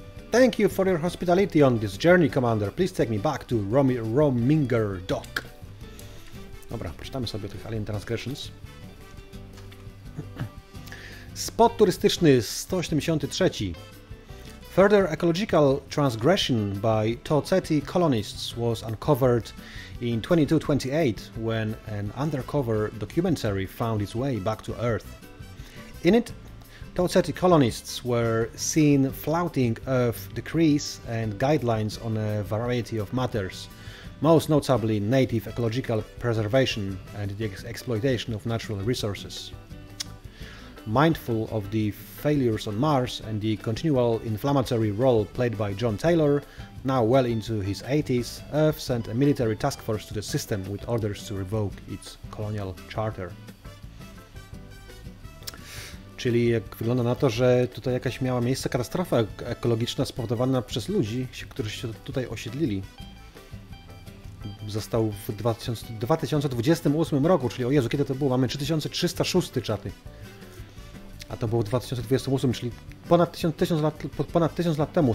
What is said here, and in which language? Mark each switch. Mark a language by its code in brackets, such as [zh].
[en] Thank you for your hospitality on this journey, Commander. Please take me back to Rominger Dock. [pl] Dobra, przeczytamy sobie tych Alien Transgressions. Spot turystyczny 183. [en] Further ecological transgression by Tau Ceti colonists was uncovered in 2228 when an undercover documentary found its way back to Earth. In it, Tau Ceti colonists were seen flouting Earth decrees and guidelines on a variety of matters, most notably native ecological preservation and the exploitation of natural resources. Mindful of the failures on Mars and the continual inflammatory role played by John Taylor, now well into his 80s, Earth sent a military task force to the system with orders to revoke its colonial charter. [pl] Czyli jak wygląda na to, że tutaj jakaś miała miejsce katastrofa ekologiczna spowodowana przez ludzi, którzy się tutaj osiedlili. Został w 2028 roku, czyli o Jezu, kiedy to było? Mamy 3306 czaty. A to było w 2028, czyli ponad 1000 lat temu.